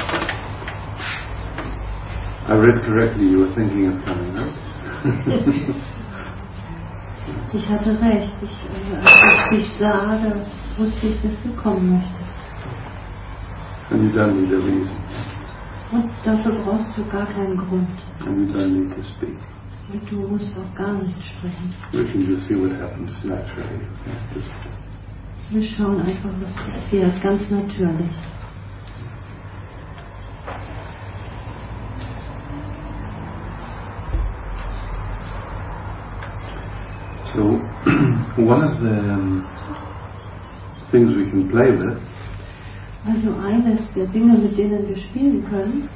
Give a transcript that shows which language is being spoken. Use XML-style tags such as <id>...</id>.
<en>I read correctly, you were thinking of coming, right?</en> <de>Ich hatte recht, ich sah, da wusste ich, dass du kommen möchtest.</de> <en>And you don't need a reason.</en> <de>Und dafür brauchst du gar keinen Grund.</de> <en>And you don't need to speak.</en> <de>Und du musst auch gar nicht sprechen.</de> <en>We can just see what happens naturally. Yeah,</en> <de>wir schauen einfach, was passiert, ganz natürlich.</de> <en>So one of the things we can play with.</en> <de>Also eines der Dinge, mit denen wir spielen können.</de>